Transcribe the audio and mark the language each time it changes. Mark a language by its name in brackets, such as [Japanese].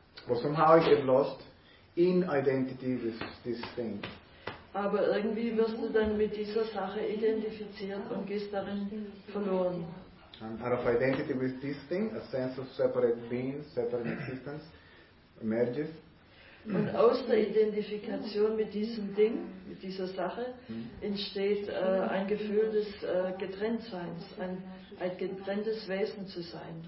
[English] Well, somehow I get lost in identity with this thing. [German] Aber irgendwie wirst du dann mit dieser Sache identifiziert und gehst darin verloren. [English] And out of identity with this thing, a sense of separate being, separate existence, emerges. [German] Und aus der Identifikation mit diesem Ding, mit dieser Sache, entsteht ein Gefühl des Getrenntseins, ein getrenntes Wesen zu sein.